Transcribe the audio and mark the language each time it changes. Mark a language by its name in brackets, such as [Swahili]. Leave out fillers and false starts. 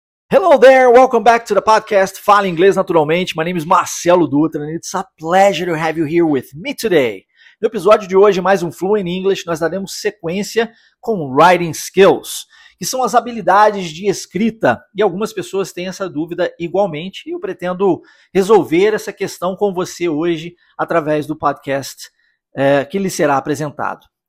[English] Hello there, welcome back to the podcast, Fala Inglês Naturalmente. My name is Marcelo Dutra, and it's a pleasure to have you here with me today. [Portuguese] No episódio de hoje, mais um Fluent English, nós daremos sequência com Writing Skills, que são as habilidades de escrita, e algumas pessoas têm essa dúvida igualmente, e eu pretendo resolver essa questão com você hoje, através do podcast que lhe será apresentado.